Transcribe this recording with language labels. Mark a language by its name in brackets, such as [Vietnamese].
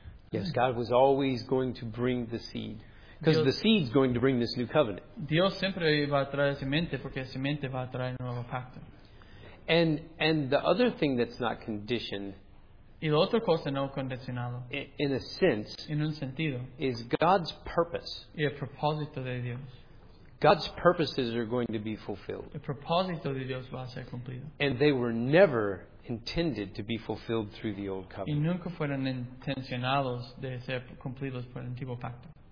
[English] Yes, God was always going to bring the seed. Because the seed's going to bring this new covenant. [Spanish] Dios siempre va a traer semente porque semente va a traer nuevo pacto. [English] And the other thing that's not conditioned. [Spanish] Y la otra cosa no condicionado. [English] In a sense. [Spanish] En un sentido. [English] Is God's purpose. [Spanish] Y el propósito de Dios. [English] God's purposes are going to be fulfilled. [Spanish] El propósito de Dios va a ser cumplido. [English] And they were never intended to be fulfilled through the old covenant. [Spanish] Y nunca fueron intencionados de ser cumplidos por el antiguo pacto.